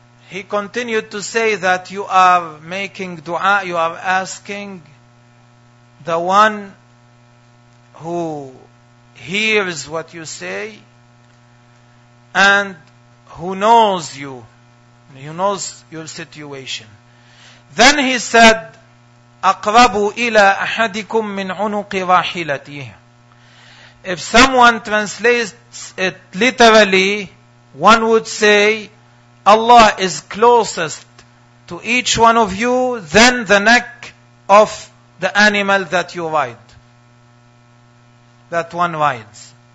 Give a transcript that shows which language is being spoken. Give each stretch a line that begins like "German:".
English: He continued to say that you are making dua, you are asking the one who hears what you say and who knows you, who knows your situation. Then he said,
Arabic: أَقْرَبُ إِلَىٰ أَحَدِكُمْ مِنْ عُنُقِ رَاحِلَتِهِ.
English: If someone translates it literally, one would say, Allah is closest to each one of you than the neck of the animal that you ride, that one rides.